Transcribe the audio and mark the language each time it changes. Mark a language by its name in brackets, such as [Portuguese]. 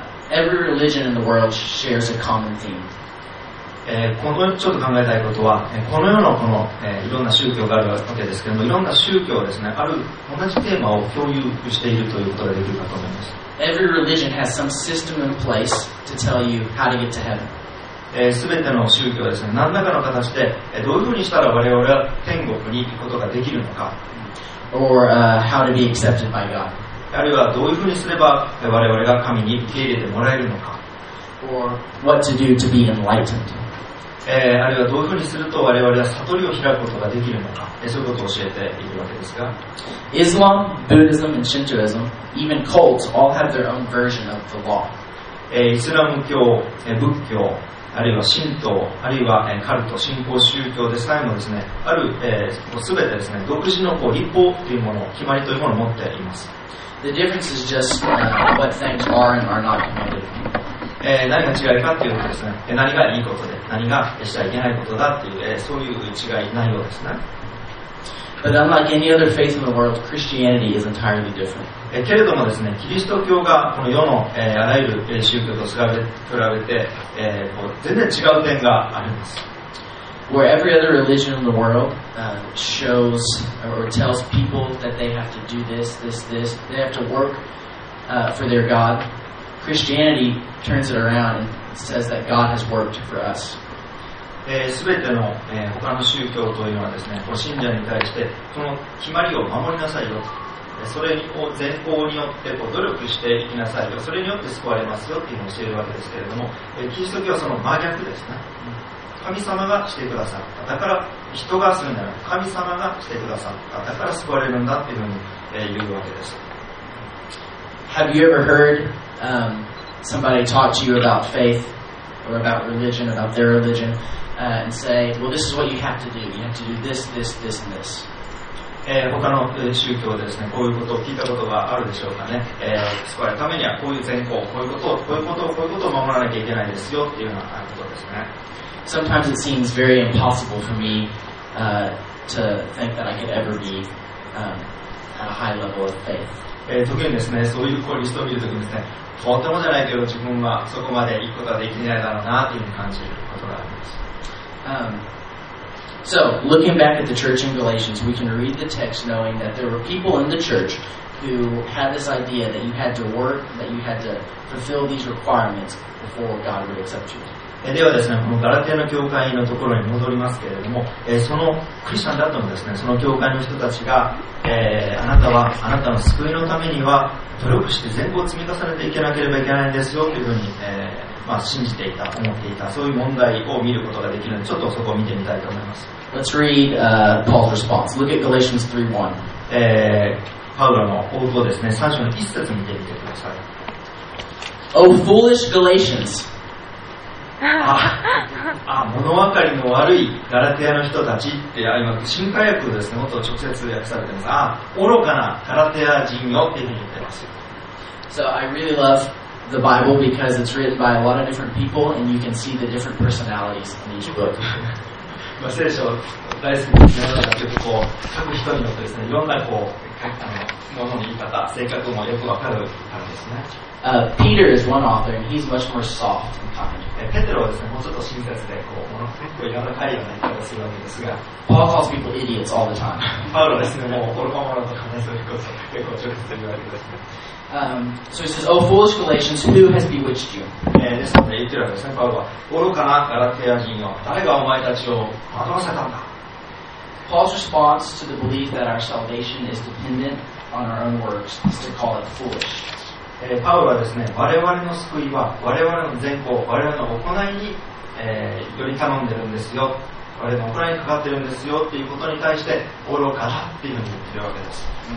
[English] Every religion in the world shares a common theme. [Japanese] このちょっと考えたいことは、この世のこの、いろんな宗教があるわけですけども、いろんな宗教ですね、ある同じテーマを共有しているということができるかと思います。 [English] Every religion has some system in place to tell you how to get to heaven. [Japanese] すべての宗教はですね、何らかの形で、どういうふうにしたら我々は天国に行くことができるのか。 [English] Or, how to be accepted by God. [Japanese] あるいはどういうふうにすれば我々が神に受け入れてもらえるのか。 [English] Or what to do to be enlightened. [Japanese] あるいはどういうふうにすると我々は悟りを開くことができるのか。そういうことを教えているわけですが。 [English] Islam, Buddhism, and Shintoism, even cults all have their own version of the law. [Japanese] イスラム教、仏教、あるいは神道、あるいはカルト、信仰宗教でさえもですね、ある、全てですね、独自のこう立法というもの、決まりというものを持っています。 [English] The difference is just what things are and are not commanded. [Japanese] 何が違いかというとですね、何がいいことで、何がしちゃいけないことだっていう、そういう違いないようですね。 [English] But unlike any other faith in the world, Christianity is entirely different. [Japanese] けれどもですね、キリスト教がこの世の、あらゆる宗教と比べて、こう全然違う点があります。 [English] Where every other religion in the world shows or tells people that they have to do this, this, this, they have to work for their God, Christianity turns it around and says that God has worked for us. [Japanese] 全ての、他の宗教というのはですね、ご信者に対して、この決まりを守りなさいよ。それに善行によってこう努力していきなさいよ。それによって救われますよというのを教えるわけですけれども、キリスト教はその真逆ですね。神様がしてくださった。だから人がするなら神様がしてくださった。だから救われるんだっていうふうに言うわけです。 [English] Have you ever heard somebody talk to you about faith or about religion, about their religion, and say, well, this is what you have to do. You have to do this, this, this, and this. [Japanese] 他の宗教でですね、こういうことを聞いたことがあるでしょうかね。救われるためにはこういう善行、こういうことを、こういうことを、こういうことを守らなきゃいけないですよっていうようなことですね。 [English] Sometimes it seems very impossible for me to think that I could ever be at a high level of faith. [Japanese] 時にですね、そういうリストを見るときにですね、とてもじゃないけど自分はそこまで行くことはできないだろうなというふうに感じることがあります。 [English] So, looking back at the church in Galatians, we can read the text knowing that there were people in the church who had this idea that you had to work, that you had to fulfill these requirements before God would accept you. [Japanese] ではですね、このガラテヤの教会のところに戻りますけれども、そのクリスチャンだったのですね、その教会の人たちが、あなたはあなたの救いのためには努力して善行を積み重ねていかなければいけないんですよというふうに、まあ、信じていた、思っていた、そういう問題を見ることができるので、ちょっとそこを見てみたいと思います。 [English] Let's read Paul's response. Look at Galatians 3:1. [Japanese] パウロの応答ですね、3章の1節見てみてください。 [English] O foolish Galatians! [Japanese] 物分かりの悪いガラテヤの人たちって、今新改訳ですね、もっと直接訳されてます。愚かなガラテヤ人よっていうふうに言ってます。 [English] So I really love the Bible because it's written by a lot of different people and you can see the different personalities in each book. [Japanese] 聖書大好きですね。なんかちょっとこう各人によってですね、いろんなこう書いたものの言い方、性格もよく分かる感じですね。 [English] Peter is one author and he's much more soft and kind. [Japanese] ペテロはですね、もうちょっと親切でこう、結構柔らかいような言い方するわけですが、 [English] Paul calls people idiots all the time. [Japanese] パウロですね、もう愚か者とかね、そういうこと結構直接言うわけですね。 [English] So he says, O foolish Galatians, who has bewitched you? [Japanese] ですので言ってるわけですね、パウロは。愚かなガラテヤ人よ、誰がお前たちを惑わせたんだ。 [English] Paul's response to the belief that our salvation is dependent on our own works is to call it foolish. [Japanese] パウロはですね、我々の救いは我々の善行、我々の行いに、より頼んでるんですよ、我々の行いにかかってるんですよっていうことに対して愚かだっていうふうに言ってるわけです。